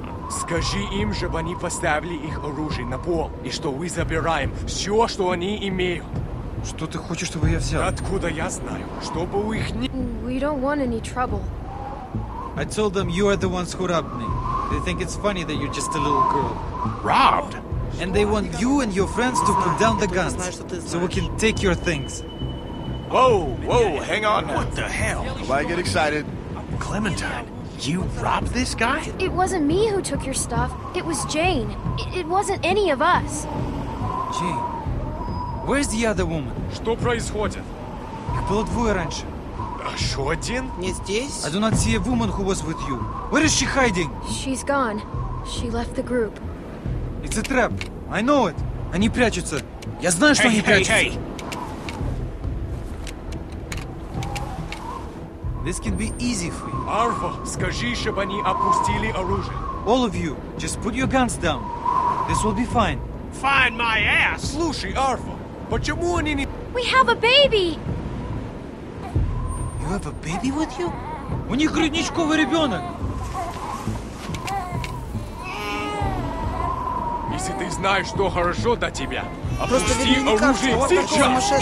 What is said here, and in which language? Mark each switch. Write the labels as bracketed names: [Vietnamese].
[Russian] Скажи им, чтобы они поставили их оружие на пол, и что мы забираем все, что они имеют. Что ты хочешь, чтобы я взял? Откуда я знаю? Чтобы у их не... [English] We don't want any trouble. I told them you are the ones who robbed me. They think it's funny that you're just a little girl. Robbed? And they want you and your friends to put down the guns, so we can take your things. Whoa, hang on. What the hell? Why get excited? Clementine. You robbed this guy? It wasn't me who took your stuff. It was Jane. It wasn't any of us. Jane, where's the other woman? [Russian] Что происходит? Их было двое раньше. А еще один? Не здесь. [English] I do not see a woman who was with you. Where is she hiding? She's gone. She left the group. It's a trap. I know it. [Russian] Они прячутся. Я знаю, что они прячутся. [English] Hey, hey. This can be easy for you. [Russian] Арва, скажи, чтобы они опустили оружие. [English] All of you, just put your guns down. This will be fine. Fine my ass! [Russian] Слушай, Арва, почему они не... [English] We have a baby! You have a baby with you? [Russian] У них грудничковый ребенок! Если ты знаешь, что хорошо для тебя, опусти оружие сейчас!